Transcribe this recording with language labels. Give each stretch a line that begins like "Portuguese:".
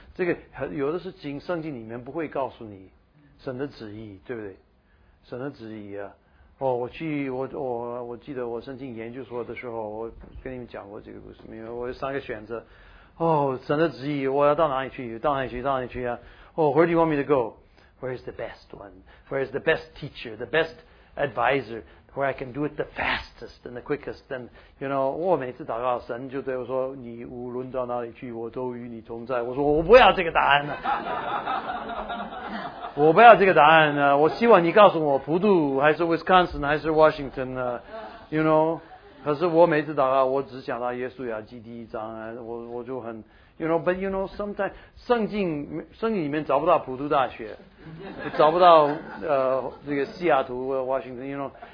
Chinese: 这个有的是经圣经里面不会告诉你神的旨意，对不对？神的旨意啊，哦，我去我记得我申请研究所的时候，我跟你们讲过这个故事，因为我有三个选择，哦，神的旨意，我要到哪里去？到哪里去？到哪里去啊？
English: Oh, where do you want me to go? Where is the best one? Where is the best teacher, the best advisor, where I can do it the fastest and the quickest?
Chinese: And, you know, 我每次祷告神就对我说，你无论到哪里去，我都与你同在。我说，我不要这个答案了。我不要这个答案了。我希望你告诉我，普渡还是 Wisconsin 还是 Washington, you know? 可是我每次祷告，我只想到耶稣雅集第一章，我就很 You know, but you know, sometimes 圣经里面找不到普渡大学，找不到这个西雅图 Washington, you know.